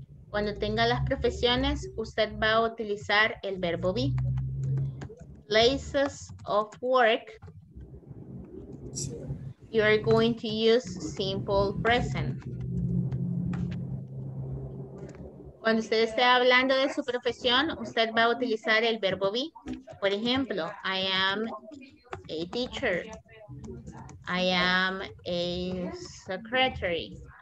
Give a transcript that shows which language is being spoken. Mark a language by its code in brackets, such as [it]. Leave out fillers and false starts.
[es] Cuando tenga las profesiones, usted va a utilizar el verbo be. [en] Places of work, you are going to use simple present. [es] Cuando usted esté hablando de su profesión, usted va a utilizar el verbo be. Por ejemplo, [en] I am a teacher. I am a secretary.